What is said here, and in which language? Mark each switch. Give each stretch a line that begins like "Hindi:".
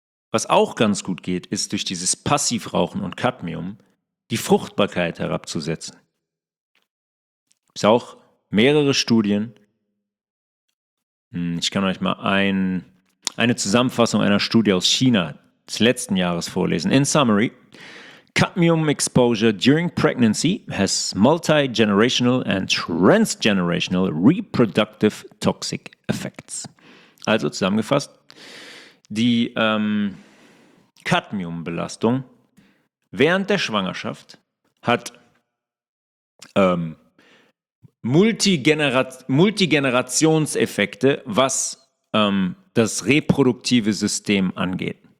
German: Was auch ganz gut geht, ist durch dieses Passivrauchen und Cadmium die Fruchtbarkeit herabzusetzen. Es gibt auch mehrere Studien. Ich kann euch mal eine Zusammenfassung einer Studie aus China des letzten Jahres vorlesen.
English: In summary, Cadmium exposure during pregnancy has multi-generational and transgenerational reproductive toxic effects.
German: Also zusammengefasst, die Cadmiumbelastung während der Schwangerschaft hat Multigenerationseffekte, was das reproduktive System angeht.